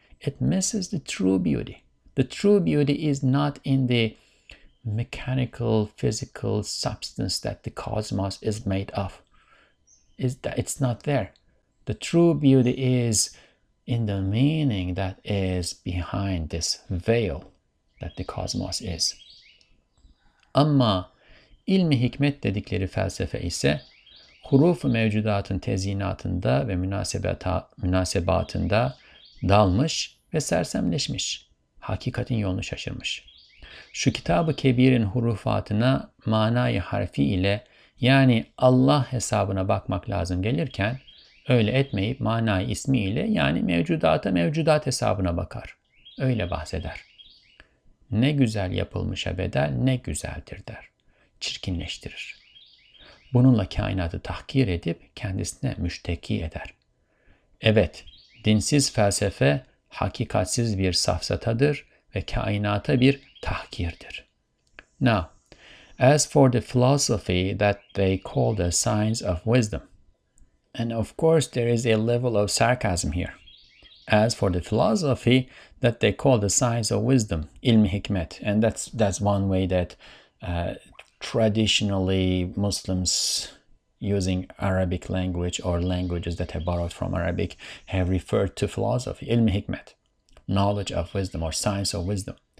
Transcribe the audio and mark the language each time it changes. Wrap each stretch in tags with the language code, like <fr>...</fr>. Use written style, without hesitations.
<en>It misses the true beauty. The true beauty is not in the mechanical, physical substance that the cosmos is made of. It's not there. The true beauty is in the meaning that is behind this veil that the cosmos is.</en> <tr>Ama ilmi hikmet dedikleri felsefe ise huruf-u mevcudatın tezyinatında ve münasebatında dalmış ve sersemleşmiş, hakikatin yolunu şaşırmış. Şu kitab-ı kebirin hurufatına manayı harfi ile, yani Allah hesabına bakmak lazım gelirken, öyle etmeyip manayı ismi ile, yani mevcudata mevcudat hesabına bakar. Öyle bahseder. Ne güzel yapılmışa bedel ne güzeldir der. Çirkinleştirir. Bununla kainatı tahkir edip kendisine müşteki eder. Evet, dinsiz felsefe hakikatsiz bir safsatadır ve kainata bir tahkirdir.</tr> <en>Now, as for the philosophy that they call the science of wisdom, and of course there is a level of sarcasm here. As for the philosophy that they call the science of wisdom, ilmi hikmet, and that's one way that traditionally Muslims using Arabic language or languages that have borrowed from Arabic have referred to philosophy, ilmi hikmet, knowledge of wisdom or science of wisdom.</en>